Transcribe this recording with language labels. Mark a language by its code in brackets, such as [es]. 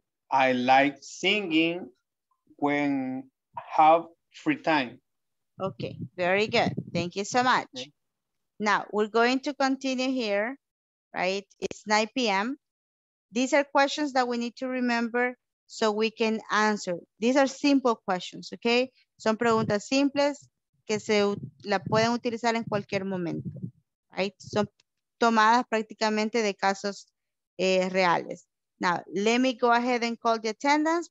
[en] I like singing when I have free time. Okay, very good. Thank you so much. Okay. Now, we're going to continue here, right? It's 9 p.m. These are questions that we need to remember so we can answer. These are simple questions, okay? [es] Son preguntas simples que se la pueden utilizar en cualquier momento, [en] right? [es] Son tomadas prácticamente de casos reales. [en] Now, let me go ahead and call the attendance.